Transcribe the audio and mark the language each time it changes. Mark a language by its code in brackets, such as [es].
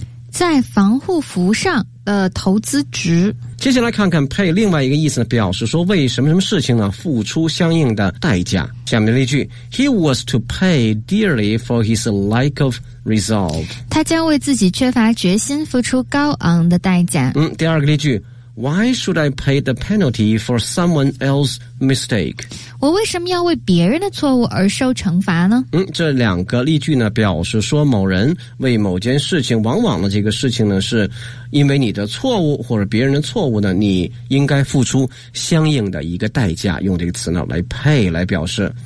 [zh] 在防护服上的投资值。接下来看看 pay 另外一个意思呢，表示说为什么什么事情呢付出相应的代价。下面的例句， [en] He was to pay dearly for his lack of resolve， [zh] 他将为自己缺乏决心付出高昂的代价。嗯，第二个例句， [en] Why should I pay the penalty for someone else's mistake？ [zh] 我为什么要为别人的错误而受惩罚呢？嗯，这两个例句呢表示说某人为某件事情，往往的这个事情呢是因为你的错误或者别人的错误呢，你应该付出相应的一个代价，用这个词呢来 pay 来表示。